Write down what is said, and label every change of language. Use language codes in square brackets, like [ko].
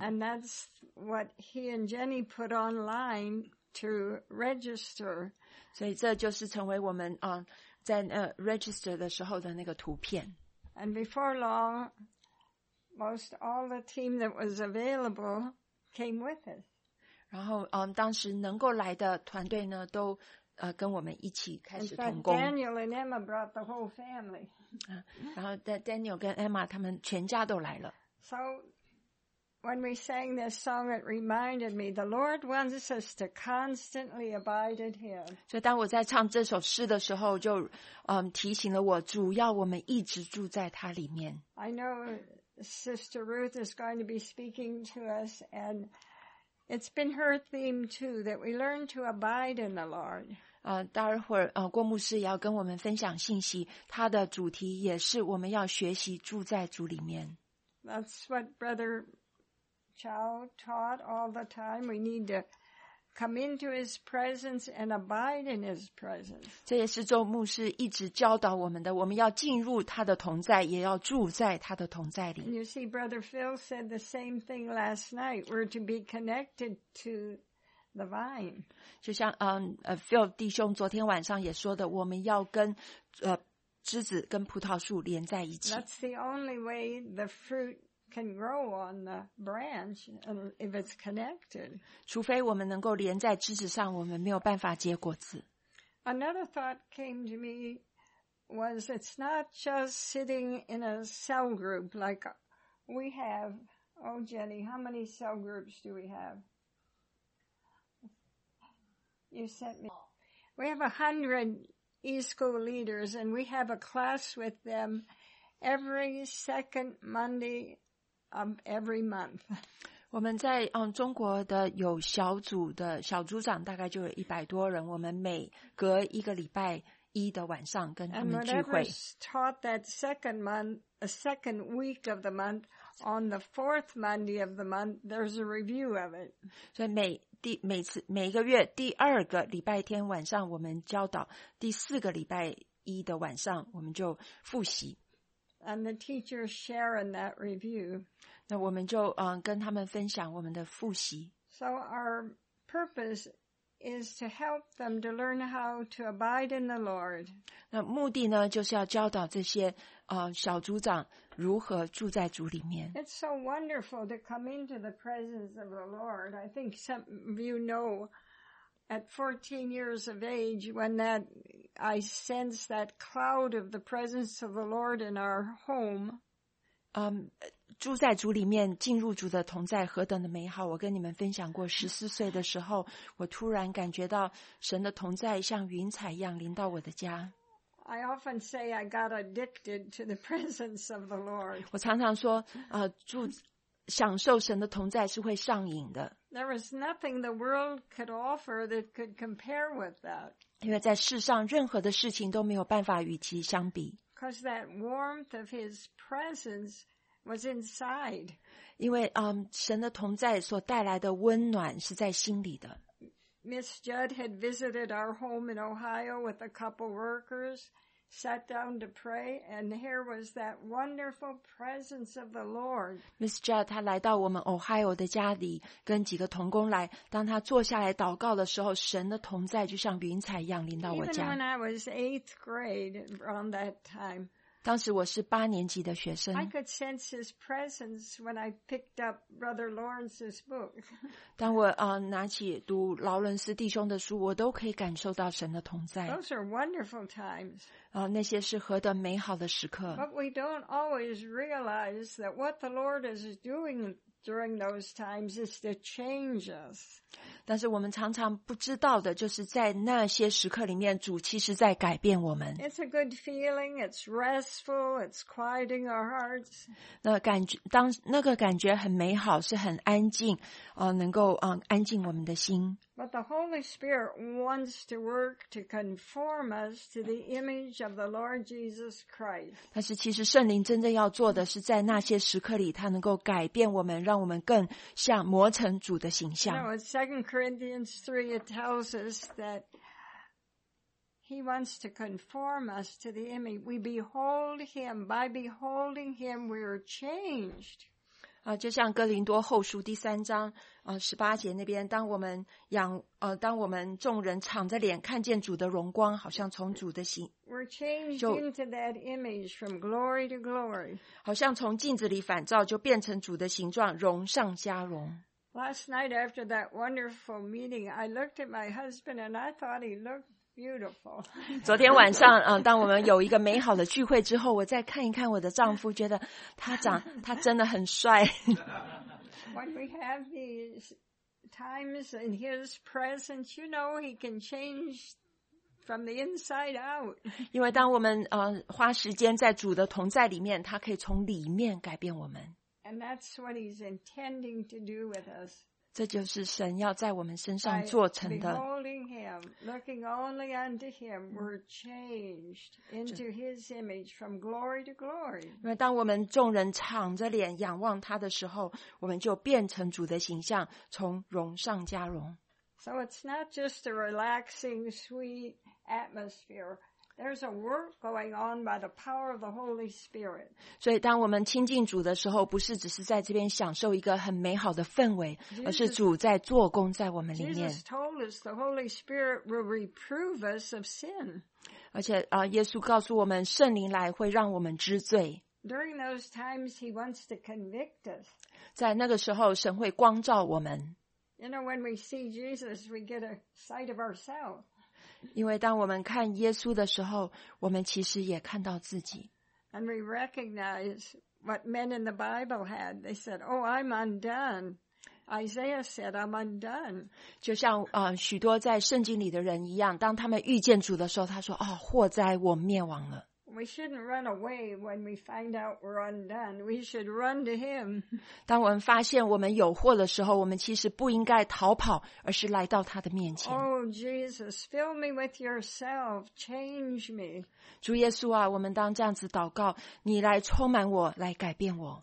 [en] And that's what he and Jenny put online to register. [zh] 所以这就是成为我们在register 的时候的那个图片。 [en] And before long, most all the team that was available came with us. [zh] 然后当时能够来的团队呢都跟我们一起开始同工。 [en] In fact, Daniel and Emma brought the whole family. [zh] 然后 Daniel 跟 Emma 他们全家都来了。 [en] So when we sang this song, it reminded me, the Lord wants us to constantly abide in Him. [zh] 所以当我在唱这首诗的时候，就提醒了我，主要我们一直住在祂里面。 [en] I know Sister Ruth is going to be speaking to us, and it's been her theme too, that we learn to abide in the Lord. [zh] 待会儿郭牧师也要跟我们分享信息，他的主题也是我们要学习住在主里面。 [en] That's what Brother Chow taught all the time. We need to come into His presence and abide in His presence. [zh] 这也是周牧师一直教导我们的，我们要进入他的同在，也要住在他的同在里。 [en] And you see, Brother Phil said the same thing last night. We're to be connected to the vine. [zh] 就像Phil 弟兄昨天晚上也说的，我们要跟枝子跟葡萄树连在一起。 [en] That's the only way the fruit can grow on the branch if it's connected. [zh] 除非我们能够连在枝子上，我们没有办法结果子。 [en] Another thought came to me was it's not just sitting in a cell group like we have. Oh, Jenny, how many cell groups do we have? You sent me. We have 100 e-school leaders, and we have a class with them every second Monday of every month. [zh] 我们在中国的有小组的小组长大概就有100多人，我们每隔一个礼拜一的晚上跟他们聚会。 [en] And whatever's taught that second month, a second week of the month, on the fourth Monday of the month, there's a review of it. [zh] 所以每个月第二个礼拜天晚上我们教导，第四个礼拜一的晚上我们就复习。 [en] And the teacher share in that review. [zh] 那我们就跟他们分享我们的复习。 [en] So our purpose is to help them to learn how to abide in the Lord. [zh] 那目的呢，就是要教导这些小组长如何住在主里面。 [en] It's so wonderful to come into the presence of the Lord. I think some of you know, at 14 years of age, when that I sensed that cloud of the presence of the Lord in our home. [zh] 住在主里面，进入主的同在，何等的美好！我跟你们分享过，14岁的时候，我突然感觉到神的同在像云彩一样临到我的家。 [en] I often say I got addicted to the presence of the Lord. [zh] 我常常说，享受神的同在是会上瘾的。 [en] There was nothing the world could offer that could compare with that. [zh] 因为在世上任何的事情都没有办法与其相比。 [en] Because that warmth of His presence was inside. [zh] 因为神的同在所带来的温暖是在心里的。 [en] Miss Judd had visited our home in Ohio with a couple workers, sat down to pray, and here was that wonderful presence of the Lord. [zh] Miss Judd, 她来到我们 Ohio 的家里，跟几个同工来。当她坐下来祷告的时候，神的同在就像云彩一样临到我家。 [en] Even when I was eighth grade, around that time, [zh] 当时我是八年级的学生。 [en] I could sense His presence when I picked up Brother Lawrence's book. [zh] 当我拿起读劳伦斯弟兄的书，我都可以感受到神的同在。 [en] Those are wonderful times. [zh] 那些是何等美好的时刻。 [en] But we don't always realize that what the Lord is doing during those times is to change us. [zh] 但是我们常常不知道的，就是在那些时刻里面，主其实在改变我们。 [en] It's a good feeling. It's restful. It's quieting our hearts. [zh] 那感觉，当那个感觉很美好，是很安静，能够安静我们的心。 [en] But the Holy Spirit wants to work to conform us to the image of the Lord Jesus Christ. [zh] 但是其实圣灵真正要做的是在那些时刻里，他能够改变我们，让我们更像磨成主的形象。 [en] You know, in 2 Corinthians 3, it tells us that He wants to conform us to the image. We behold Him. By beholding Him, we are changed. [zh] 就像哥林多后书第三章18节那边，当我们众人敞着脸看见主的荣光，好像从主的形， [en] We're changed into that image from glory to glory. [zh] 好像从镜子里反照，就变成主的形状，荣上加荣。 [en] Last night after that wonderful meeting, I looked at my husband and I thought he looked beautiful. [zh] 昨天晚上，当我们有一个美好的聚会之后，我再看一看我的丈夫，觉得他真的很帅。 [en] When we have these times in his presence, you know, he can change from the inside out. [zh] 因为当我们花时间在主的同在里面，他可以从里面改变我们。 [en] And that's what he's intending to do with us. [zh] 这就是神要在我们身上做成的。 [en] By beholding him, looking only unto him, we're changed into his image from glory to glory. [zh] 因为当我们众人敞着脸仰望他的时候，我们就变成主的形象，从荣上加荣。 [en] So it's not just a relaxing, sweet atmosphere. There's a work going on by the power of the Holy Spirit. [zh] 所以当我们亲近主的时候，不是只是在这边享受一个很美好的氛围，而是主在做工在我们里面。 [en] Jesus told us the Holy Spirit will reprove us of sin. [zh] 而且耶稣告诉我们，圣灵来会让我们知罪。 [en] During those times, he wants to convict us. [zh] 在那个时候，神会光照我们。 [en] You know, when we see Jesus, we get a sight of ourselves. [zh] 因为当我们看耶稣的时候，我们其实也看到自己。 [en] And we recognize what men in the Bible had. They said, "Oh, I'm undone." Isaiah said, "I'm undone." [zh] 就像许多在圣经里的人一样，当他们遇见主的时候，他说：“哦，祸灾，我灭亡了。” [en] We shouldn't run away when we find out we're undone. We should run to Him. [zh] 当我们发现我们有祸的时候，我们其实不应该逃跑，而是来到他的面前。 [en] Oh, Jesus, fill me with yourself. Change me. [zh] 主耶稣啊，我们当这样子祷告，你来充满我，来改变我。